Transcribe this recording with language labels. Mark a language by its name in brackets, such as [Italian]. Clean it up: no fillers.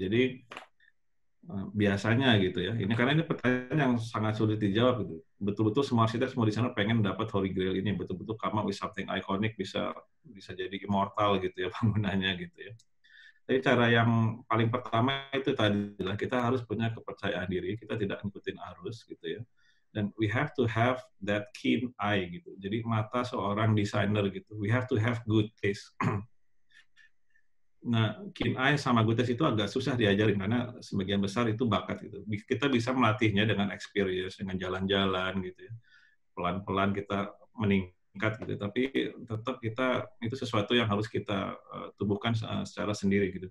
[Indonesian] Jadi biasanya gitu ya. Ini karena ini pertanyaan yang sangat sulit dijawab gitu. Betul-betul semua arsitek, semua desainer pengen dapat Holy Grail ini, betul-betul [English] come up with something iconic, [Indonesian] bisa jadi immortal gitu ya bangunannya gitu ya. Jadi cara yang paling pertama itu tadi lah, kita harus punya kepercayaan diri, kita tidak ngikutin arus gitu ya. [English] Dan we have to have that keen eye gitu. [Indonesian] Jadi mata seorang desainer gitu. [English] We have to have good taste. [Indonesian] Nah, keen eye sama good taste itu agak susah diajarin karena sebagian besar itu bakat gitu. Kita bisa melatihnya dengan experience, dengan jalan-jalan gitu ya. Pelan-pelan kita meningkat gitu. Tapi tetap kita, itu sesuatu yang harus kita tumbuhkan secara sendiri gitu.